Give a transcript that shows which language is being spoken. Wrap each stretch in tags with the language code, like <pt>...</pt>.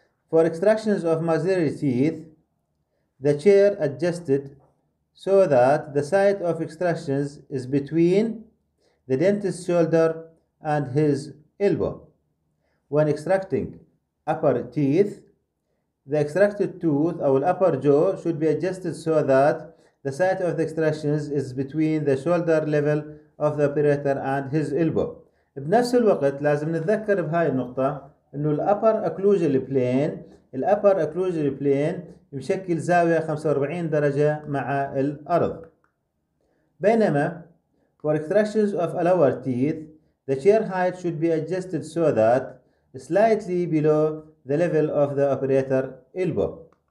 <en>For extractions of maxillary teeth, the chair adjusted so that the site of extractions is between the dentist's shoulder and his elbow. When extracting upper teeth, the extracted tooth or upper jaw should be adjusted so that the site of the extractions is between the shoulder level of the operator and his elbow.</en> <ar>بنفس الوقت لازم نتذكر بهاي النقطة انه الأبر أكلوجل بلين، الأبر أكلوجل بلين يشكل زاوية 45 درجة مع الأرض.</ar> <en>بينما for extractions of a lower teeth the chair height should be adjusted so that slightly below the level of the operator elbow.</en>